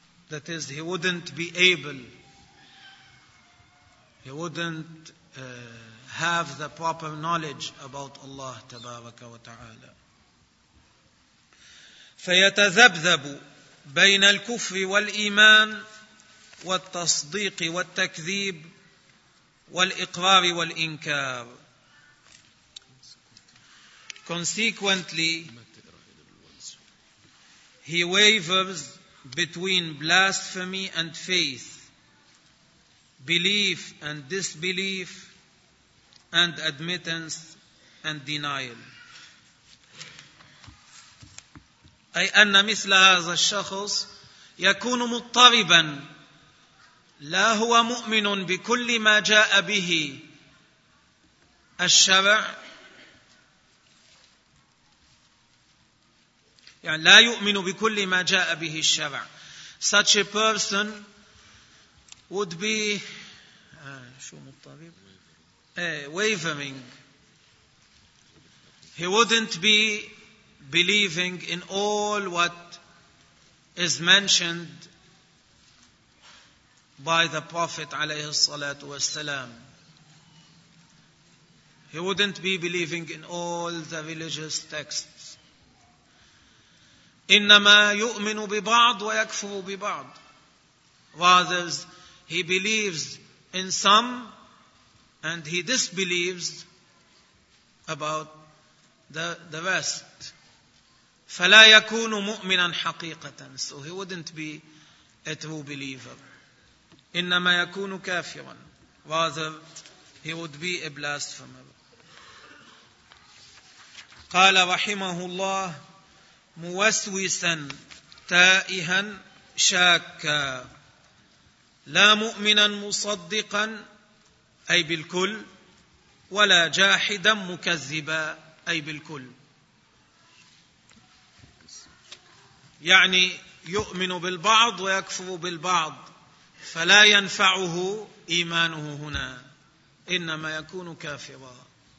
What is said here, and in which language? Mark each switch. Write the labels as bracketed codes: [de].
[en] That is, he wouldn't be able, he wouldn't have the proper knowledge about Allah [ar] tabaraka wa ta'ala. فيتذبذب بين الكفر والإيمان والتصديق والتكذيب والإقرار والإنكار. [en] Consequently, he wavers between blasphemy and faith, belief and disbelief, and admittance and denial. [ar] أي أن مثل هذا الشخص يكون مضطربا, لا هو مؤمن بكل ما جاء به الشرع, يعني لا يؤمن بكل ما جاء به الشرع. [en] Such a person would be [ar] شو مضطرب, [en] wavering. He wouldn't be believing in all what is mentioned by the Prophet [ar] alayhi salatu wasalam. [en] He wouldn't be believing in all the religious texts. [ar] إِنَّمَا يُؤْمِنُ بِبَعْضُ وَيَكْفُرُ بِبَعْضُ. [en] Rather, he believes in some and he disbelieves about the rest. [ar] فَلَا يَكُونُ مُؤْمِنًا حَقِيقَةً. [en] So he wouldn't be a true believer. [ar] إِنَّمَا يَكُونُ كَافِرًا. [en] Rather, he would be a blasphemer. [ar] قَالَ رَحِمَهُ اللَّهُ موسوسا تائها شاكا لا مؤمنا مصدقا أي بالكل ولا جاحدا مكذبا أي بالكل يعني يؤمن بالبعض ويكفر بالبعض فلا ينفعه إيمانه هنا إنما يكون كافرا